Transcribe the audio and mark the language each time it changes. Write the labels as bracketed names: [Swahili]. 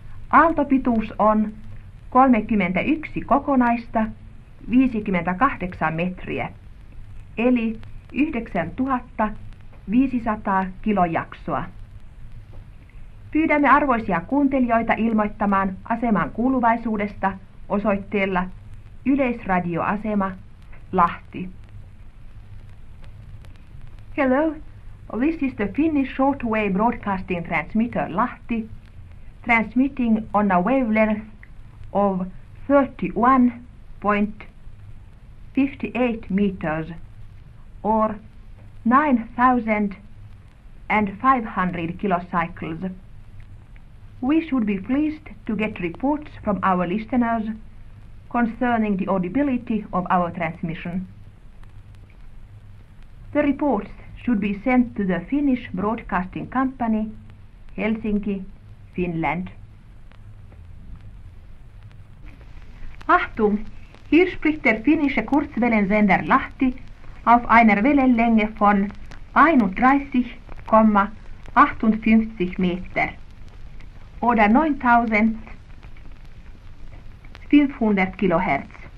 [Finnish] Aaltopituus on 31 kokonaista 58 metriä, eli 9500 kilojaksoa. Pyydämme arvoisia kuuntelijoita ilmoittamaan aseman kuuluvaisuudesta osoitteella Yleisradioasema, Lahti. [English] Hello, this is the Finnish Shortwave Broadcasting Transmitter, Lahti, transmitting on a wavelength of 31.58 meters or 9,500 kilocycles. We should be pleased to get reports from our listeners concerning the audibility of our transmission. The reports should be sent to the Finnish Broadcasting Company, Helsinki, Finland. [German] Achtung! Hier spricht der finnische Kurzwellensender Lahti auf einer Wellenlänge von 31,58 Meter oder 9500 Kilohertz.